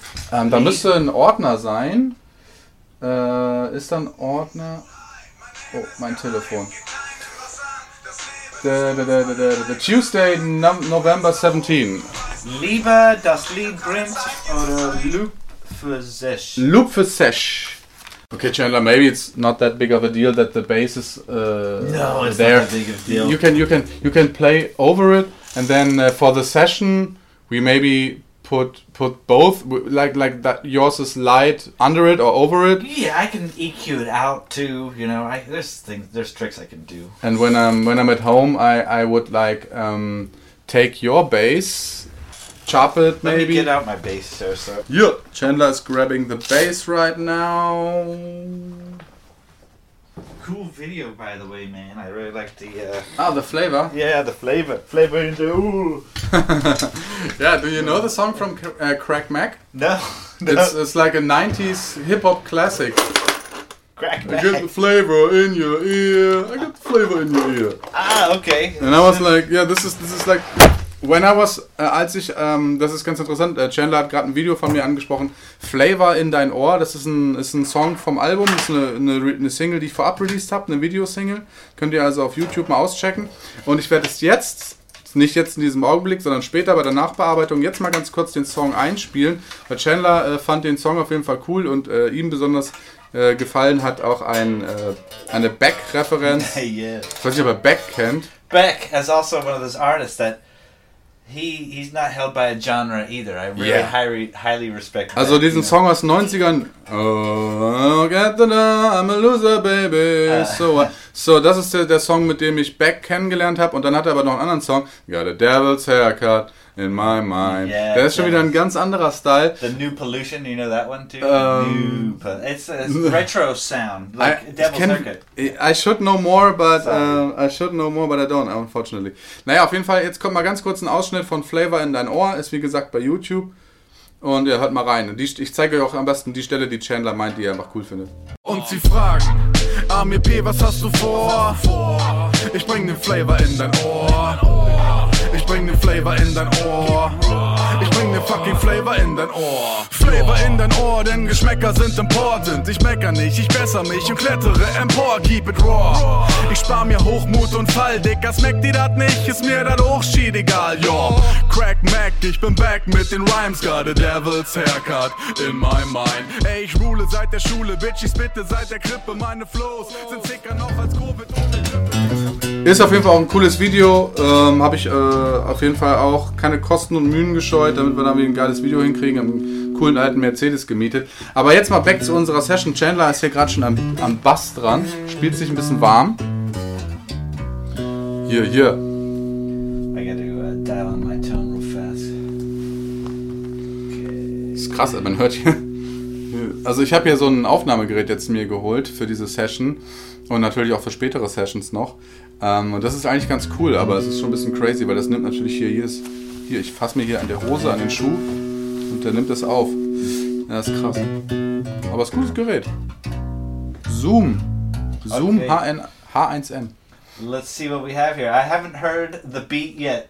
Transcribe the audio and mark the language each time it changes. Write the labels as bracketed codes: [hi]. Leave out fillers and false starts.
[de] da müsste ein Ordner sein. Ist da ein Ordner? Oh, mein Telefon. [en] The Tuesday, November 17. [de] Lieber das Lied brennt oder Loop für Sesh? Loop für Sesh. [en] Okay, Chandler, maybe it's not that big of a deal that the bass is there. No, it's not that big of a deal. You can play over it, and then for the session, we maybe put both, like that yours is light under it or over it. Yeah, I can EQ it out too, you know, there's tricks I can do. And when I'm at home, I would like take your bass, chop it, maybe. Let me get out my bass, sir. Yeah, Chandler is grabbing the bass right now. Cool video, by the way, man. I really like the... The flavor. Yeah, the flavor. Flavor in the... Ooh. Yeah, do you know the song from Crack Mac? No. It's like a 90s hip-hop classic. Crack Mac. I get the flavor in your ear. I get the flavor in your ear. Ah, okay. And I was like, yeah, this is like... When I was, [de] als ich, das ist ganz interessant, Chandler hat gerade ein Video von mir angesprochen, Flavor in dein Ohr, das ist ein Song vom Album, das ist eine Single, die ich vorab released habe, eine Videosingle, könnt ihr also auf YouTube mal auschecken. Und ich werde es jetzt, nicht jetzt in diesem Augenblick, sondern später bei der Nachbearbeitung, jetzt mal ganz kurz den Song einspielen, weil Chandler fand den Song auf jeden Fall cool und ihm besonders gefallen hat auch eine Beck-Referenz. [en] Hey, yeah. [de] Weiß nicht, ob er Beck kennt. [en] Beck is also one of those artists that He's not held by a genre either. I really highly respect that. [de] Also diesen Song aus 90ern. [en] Oh, get the I'm a loser, baby. [de] So, das ist der Song, mit dem ich Beck kennengelernt habe. Und dann hat er aber noch einen anderen Song. [en] Got a devil's haircut in my mind. Yeah, [de] der ist schon wieder ein ganz anderer Style. [en] The New Pollution, you know that one too? It's a retro sound. Like Devil's Haircut. I should know more, but I don't, unfortunately. [de] Naja, auf jeden Fall, jetzt kommt mal ganz kurz ein Ausschnitt von Flavor in dein Ohr. Ist wie gesagt bei YouTube. Und ja, hört mal rein. Ich zeige euch auch am besten die Stelle, die Chandler meint, die er einfach cool findet. Und sie fragen, AMP, was hast du vor? Ich bring den Flavor in dein Ohr. Ich bring den Flavor in dein Ohr. Ich bring den fucking Flavor in dein Ohr. Flavor in dein Ohr, denn Geschmäcker sind important. Ich mecker nicht, ich besser mich und klettere empor. [en] Keep it raw. [de] Ich spar mir Hochmut und Fall, Dicker. Schmeckt dir das nicht? Ist mir das Hochschied egal, yo. Crack Mac, ich bin back mit den Rhymes. [en] Got a devil's haircut in my mind. [de] Ey, ich rule seit der Schule, bitch. Ich spitte seit der Krippe. Meine Flows sind sicker noch als Covid ohne Grippe. Ist auf jeden Fall auch ein cooles Video, habe ich auf jeden Fall auch keine Kosten und Mühen gescheut, damit wir dann wieder ein geiles Video hinkriegen, einen coolen alten Mercedes gemietet. Aber jetzt mal back zu unserer Session. Chandler ist hier gerade schon am Bass dran, spielt sich ein bisschen warm. Hier. [en] I gotta dial on my tone real fast. [de] Ist krass, man hört hier. Also ich habe hier so ein Aufnahmegerät jetzt mir geholt für diese Session und natürlich auch für spätere Sessions noch. Und das ist eigentlich ganz cool, aber es ist schon ein bisschen crazy, weil das nimmt natürlich hier, ich fasse mir hier an der Hose, an den Schuh und der nimmt das auf. Ja, das ist krass. Aber es ist ein gutes Gerät. Zoom. Zoom okay. H1N. [en] Let's see what we have here. I haven't heard the beat yet.